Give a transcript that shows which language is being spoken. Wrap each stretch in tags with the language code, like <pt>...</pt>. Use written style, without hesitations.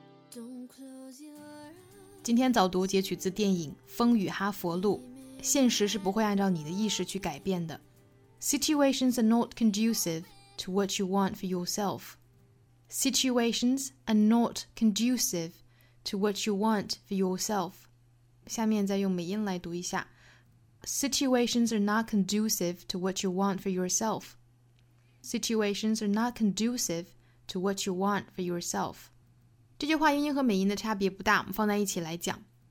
<en>Don't close your eyes.</en> <zh>今天早读截取自电影《风雨哈佛路》。现实是不会按照你的意识去改变的。</zh> <en>Situations are not conducive to what you want for yourself. Situations are not conducive to what you want for yourself.</en> <zh>下面再用美音来读一下。</zh> <en>Situations are not conducive to what you want for yourself. Situations are not conducive to what you want for yourself.</en> <zh>这句话英音和美音的差别不大，我们放在一起来讲。</zh>